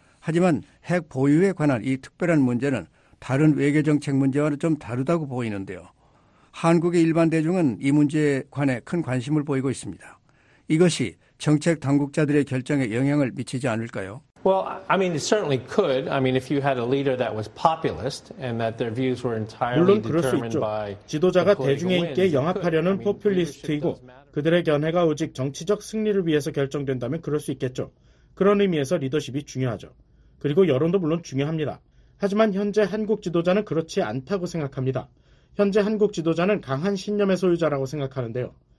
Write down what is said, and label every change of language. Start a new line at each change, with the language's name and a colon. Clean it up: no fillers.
Korean: 하지만 핵 보유에 관한 이 특별한 문제는 다른 외교정책 문제와는 좀 다르다고 보이는데요. 한국의 일반 대중은 이 문제에 관해 큰 관심을 보이고 있습니다. 이것이 정책 당국자들의 결정에 영향을 미치지 않을까요?
English: Well, I mean, it certainly could. I mean, if you had a leader that was populist and that their views were entirely determined by political winds,
Korean: 물론 그럴 수 있죠. 지도자가 대중의 인기에 영합하려는 포퓰리스트이고 그들의 견해가 오직 정치적 승리를 위해서 결정된다면 그럴 수 있겠죠. 그런 의미에서 리더십이 중요하죠. 그리고 여론도 물론 중요합니다. 하지만 현재 한국 지도자는 그렇지 않다고 생각합니다. 현재 한국 지도자는 강한 신념의 소유자라고 생각하는데요.